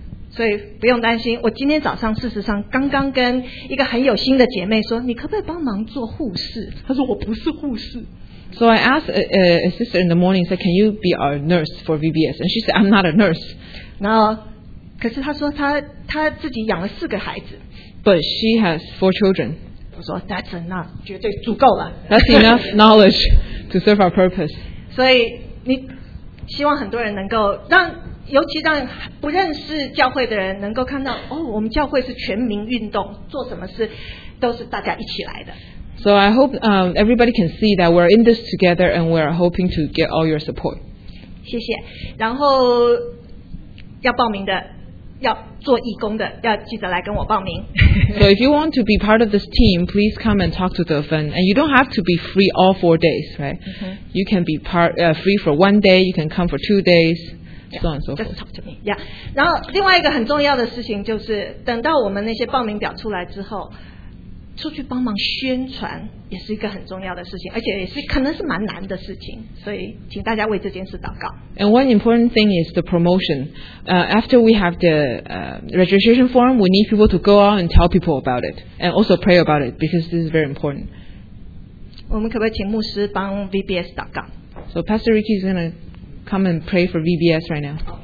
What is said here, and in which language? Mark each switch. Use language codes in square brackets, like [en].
[zh] 所以不用担心，我今天早上事实上刚刚跟一个很有心的姐妹说，你可不可以帮忙做护士？她说我不是护士。 [en] So I asked a sister in the morning, said, can you be our nurse for VBS? And she said, I'm not a nurse. [zh] 然后可是她说她自己养了四个孩子。 [en] But she has four children. [zh] 我说 [en] That's enough, [zh] 绝对足够了。 [en] That's enough knowledge to serve our purpose. [zh] 所以你希望很多人能够让，尤其让不认识教会的人能够看到，哦，我们教会是全民运动，做什么事都是大家一起来的。 [en] So I hope everybody can see that we're in this together, and we're hoping to get all your support. [zh] 谢谢。然后。要报名的，要做义工的，要记得来跟我报名。 [en] So if you want to be part of this team, please come and talk to the friend. And you don't have to be free all 4 days, right? Mm-hmm. You can be part free for 1 day. You can come for 2 days, yeah, so on and so forth. Just talk to me. Yeah. [zh] 然后另外一个很重要的事情就是，等到我们那些报名表出来之后，出去帮忙宣传也是一个很重要的事情，而且也是可能是蛮难的事情，所以请大家为这件事祷告。 [en] And one important thing is the promotion. After we have the registration form, we need people to go out and tell people about it, and also pray about it, because this is very important. [zh] 我们可不可以请牧师帮 VBS 祷告？ [en] So Pastor Ricky is going to come and pray for VBS right now.